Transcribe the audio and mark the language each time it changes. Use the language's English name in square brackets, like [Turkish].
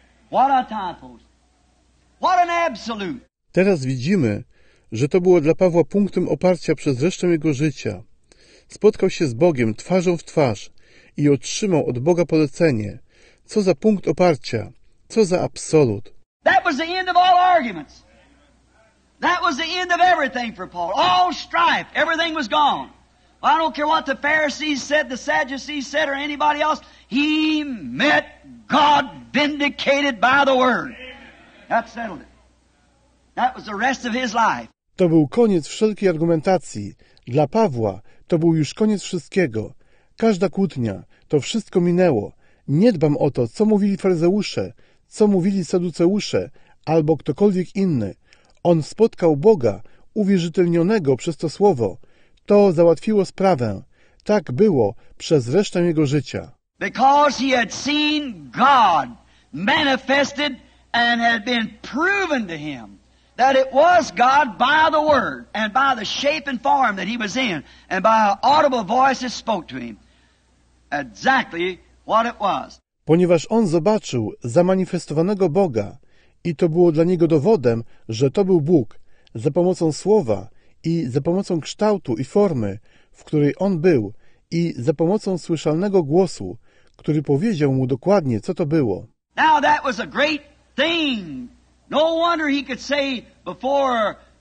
[English] What a time post. What an absolute. [Polish] Teraz widzimy, że to było dla Pawła punktem oparcia przez resztę jego życia. Spotkał się z Bogiem twarzą w twarz i otrzymał od Boga polecenie. Co za punkt oparcia? Co za absolut? [English] That was the end of all arguments. That was the end of everything for Paul. All strife. Everything was gone. I don't care what the Pharisees said, the Sadducees said, or anybody else. He met God vindicated by the Word. That settled it. That was the rest of his life. [Polish] To był koniec wszelkiej argumentacji. Dla Pawła to był już koniec wszystkiego. Każda kłótnia, to wszystko minęło. Nie dbam o to, co mówili faryzeusze, co mówili saduceusze, albo ktokolwiek inny. On spotkał Boga, uwierzytelnionego przez to słowo. To załatwiło sprawę. Tak było przez resztę jego życia. [English] Because he had seen God manifested and had been proven to him that it was God by the word and by the shape and form that he was in and by an audible voice that spoke to him. Exactly what it was. [Polish] Ponieważ on zobaczył zamanifestowanego Boga, i to było dla niego dowodem, że to był Bóg, za pomocą słowa i za pomocą kształtu i formy, w której on był, i za pomocą słyszalnego głosu, który powiedział mu dokładnie, co to było. [English] Now that was a great thing. No wonder he could say before